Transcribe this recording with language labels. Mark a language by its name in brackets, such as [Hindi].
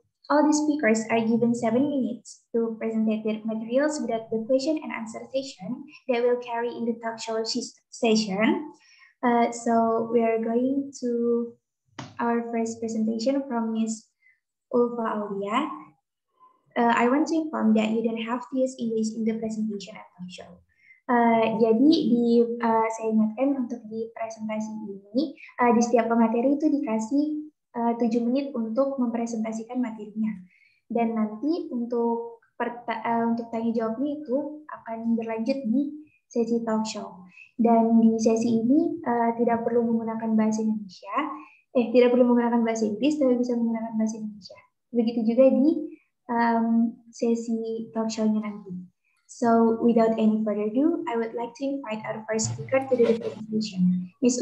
[English] All the speakers are given 7 minutes to present their materials without the question and answer session that will carry in the talk show session. So we are going to our first presentation from Ms. Ulfa Aulia. I want to inform that you don't have to use English in the presentation at talk show. [Indonesian] Jadi di saya ingatkan untuk di presentasi ini di setiap pemateri itu dikasih 7 menit untuk mempresentasikan materinya, dan nanti untuk tanya jawabnya itu akan berlanjut di sesi talk show. Dan di sesi ini tidak perlu menggunakan bahasa Indonesia, tidak perlu menggunakan bahasa Inggris, tapi bisa menggunakan bahasa Indonesia. Begitu juga di sesi talk show-nya nanti. [English] So without any further ado, I would like to invite our first speaker to the presentation, Ms.